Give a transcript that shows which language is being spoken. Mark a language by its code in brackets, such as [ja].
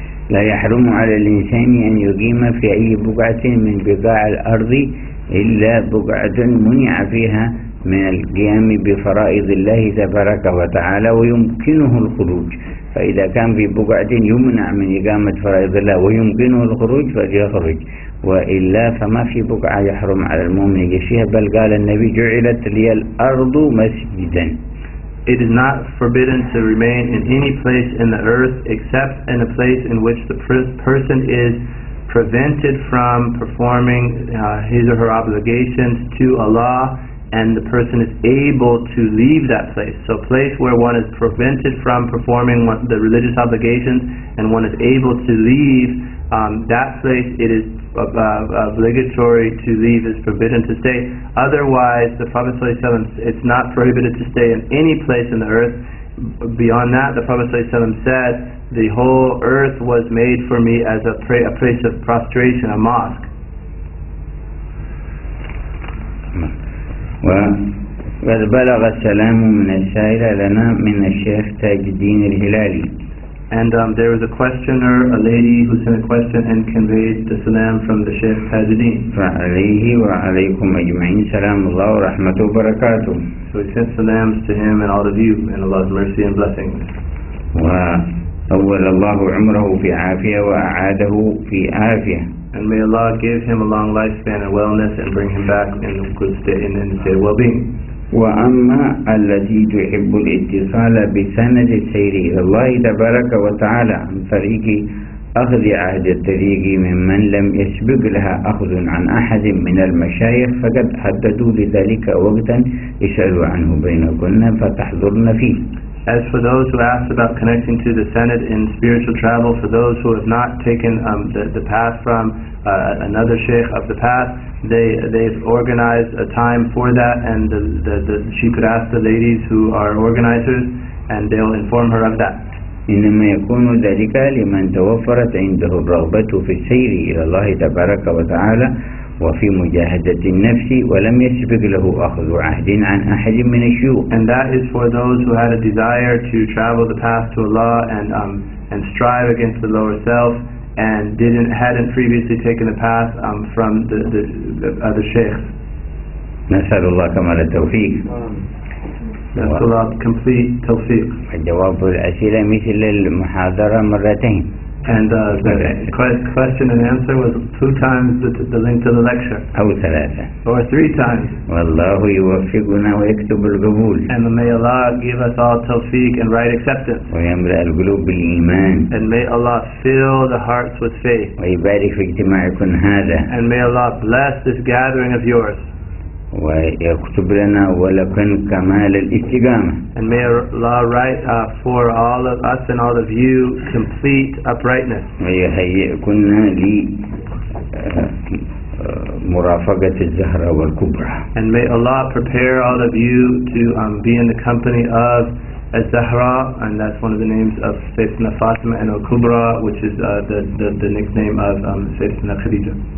[ar] لا يحرم على الإنسان أن يقيم في أي بقعة من بقاع الأرض إلا بقعة منع فيها من القيام بفرائض الله تبارك وتعالى ويمكنه الخروج. فإذا كان في بقعة يمنع من إقامة فرائض الله ويمكنه الخروج فليخرج، وإلا فما في بقعة يحرم على المؤمن يشيها، بل قال النبي جعلت لي الأرض مسجدا. [en] It is not forbidden to remain in any place in the earth except in a place in which the person is prevented from performing his or her obligations to Allah, and the person is able to leave that place. So a place where one is prevented from performing the religious obligations and one is able to leave that place, it is obligatory to leave, is forbidden to stay. Otherwise, the Prophet ﷺ, it's not prohibited to stay in any place in the earth. Beyond that, the Prophet ﷺ said, the whole earth was made for me as a place of prostration, a mosque. [ar] وقد بلغ السلام من السائل لنا من الشيخ تاج الدين الهلالي. [en] And there was a questioner, a lady who sent a question and conveyed the salam from the Sheikh Taj al-Din. [ar] فعليه وعليكم أجمعين سلام الله ورحمته وبركاته. [en] So we sent salams to him and all of you and Allah's mercy and blessings. [ar] وطول الله عمره في عافية وأعاده في عافية. [en] And may Allah give him a long lifespan and wellness and bring him back in a good state and in a state of well-being. [ar] وأما التي تحب الاتصال بسند السير إلى الله تبارك وتعالى عن طريق أخذ عهد الطريق ممن لم يسبق لها أخذ عن أحد من المشايخ فقد حددوا لذلك وقتا اسألوا عنه بينكن فتحضرن فيه. [en] As for those who asked about connecting to the Senate in spiritual travel, for those who have not taken the path from another sheikh of the path, they've organized a time for that, and she could ask the ladies who are organizers, and they'll inform her of that. [ar] إنما يكون ذلك لمن توفرت عنده الرغبة في السير إلى الله تبارك وتعالى وفي مجاهدة النفس ولم يسبق له أخذ عهد عن أحد من الشيوخ. [en] And that is for those who had a desire to travel the path to Allah and strive against the lower self and hadn't previously taken the path from the other sheikhs. [ar] نسأل الله كمال التوفيق. نسأل الله [en] complete [ar] توفيق. الجواب الأسئلة مثل المحاضرة مرتين. [en] And the question and answer was two times the length of the lecture. [ar] أو ثلاثة. [en] Or three times. [ar] والله يوفقنا ويكتب القبول. [en] And may Allah give us all tawfiq and right acceptance. [ar] ويملأ القلوب بالإيمان. [en] And may Allah fill the hearts with faith. [ar] ويبارك في اجتماعكم هذا. [en] And may Allah bless this gathering of yours. [ar] ويكتب لنا ولكن كمال الاستقامة. [en] And may Allah write for all of us and all of you complete uprightness. [ar] ويهيئكن لمرافقة الزهرة والكبرى. [en] And may Allah prepare all of you to be in the company of الزهرة, and that's one of the names of Sayyidina Fatima, and الكبرى, which is the nickname of Sayyidina خديجة.